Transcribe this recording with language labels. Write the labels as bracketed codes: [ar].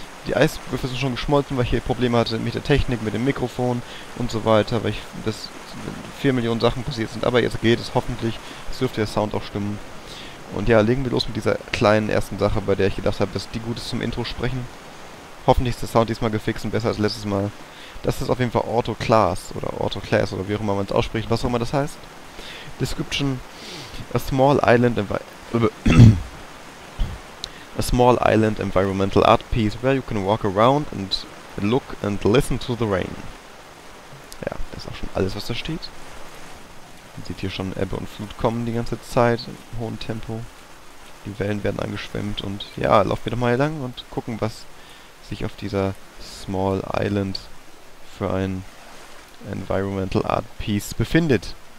[de] Die Eiswürfel sind schon geschmolzen, weil ich hier Probleme hatte mit der Technik, mit dem Mikrofon und so weiter, weil das 4 Millionen Sachen passiert sind, aber jetzt geht es hoffentlich, es dürfte der Sound auch stimmen. Und ja, legen wir los mit dieser kleinen ersten Sache, bei der ich gedacht habe, dass die gut ist zum Intro sprechen. Hoffentlich ist der Sound diesmal gefixt und besser als letztes Mal. Das ist auf jeden Fall Autoclass oder wie auch immer man es ausspricht, was auch immer das heißt. [en] Description: A small island A small island environmental art piece where you can walk around and look and listen to the rain. [de] Ja, das ist auch schon alles, was da steht. Man sieht hier schon Ebbe und Flut kommen die ganze Zeit im hohen Tempo. Die Wellen werden angeschwemmt und ja, laufen wir doch mal hier lang und gucken, was sich auf dieser [en] small island [de] für ein [en] environmental art piece [de] befindet.